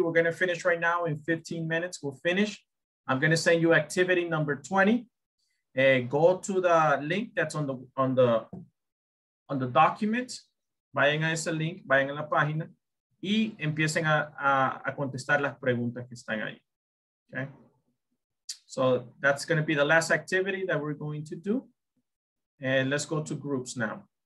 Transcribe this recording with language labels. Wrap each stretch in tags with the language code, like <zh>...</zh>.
<en>We're going to finish right now in 15 minutes. We'll finish. I'm going to send you activity number 20. Go to the link that's on the document.</en> <es>Vayan a ese link, vayan a la página, y empiecen a contestar las preguntas que están ahí.</es> <en>Okay. So that's going to be the last activity that we're going to do. And let's go to groups now.</en>